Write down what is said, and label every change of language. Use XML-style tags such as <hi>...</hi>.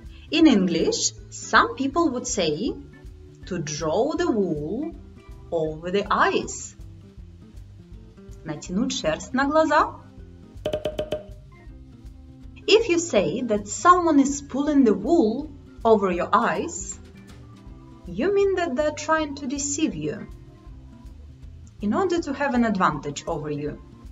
<en>In English, some people would say to draw the wool over the eyes.</en> <ru>Натянуть шерсть на глаза.</ru> <en>If you say that someone is pulling the wool over your eyes, you mean that they're trying to deceive you in order to have an advantage over you.</en>